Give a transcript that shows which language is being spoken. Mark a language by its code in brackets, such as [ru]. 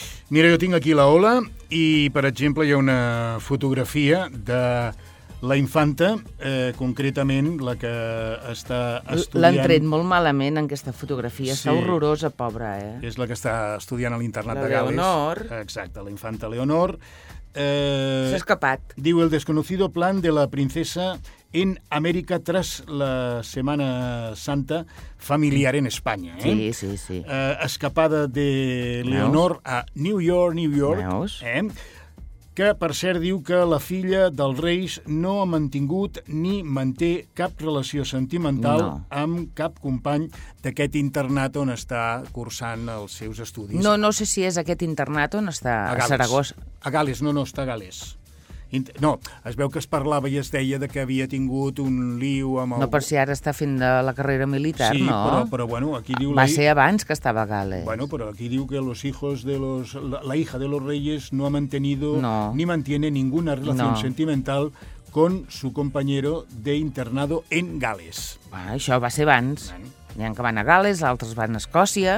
[ca] Mira, jo tinc aquí la Ola i, per exemple, hi ha una fotografia de... La infanta, concretament, la que està estudiant... L'han tret molt malament, en aquesta fotografia. Està sí. horrorosa, pobra, eh? És la que està estudiant a l'internat de Gales. La Leonor. Exacte, la infanta Leonor. S'ha escapat. [es] Diu el desconocido plan de la princesa en América tras la Semana Santa familiar en España. [ca] Sí, sí, sí. Escapada de Leonor a New York, New York. Meus. Que, per cert, diu que la filla dels Reis no ha mantingut ni manté cap relació sentimental amb cap company d'aquest internat on està cursant els seus estudis. No sé si és aquest internat on està a Saragossa. A Gales, no està a Gales. No, es veu que es parlava i es deia que havia tingut un lío amb... No, per si ara està fent de la carrera militar, sí, no? Sí, però bueno, aquí diu... Va ser abans que estava a Gales. Bueno, però aquí diu que [es] los hijos de los... La hija de los reyes no ha mantenido ni mantiene ninguna relación sentimental con su compañero de internado en Gales. [ca] Bueno, això va ser abans. Bueno. Hi ha que van a Gales, altres van a Escòcia,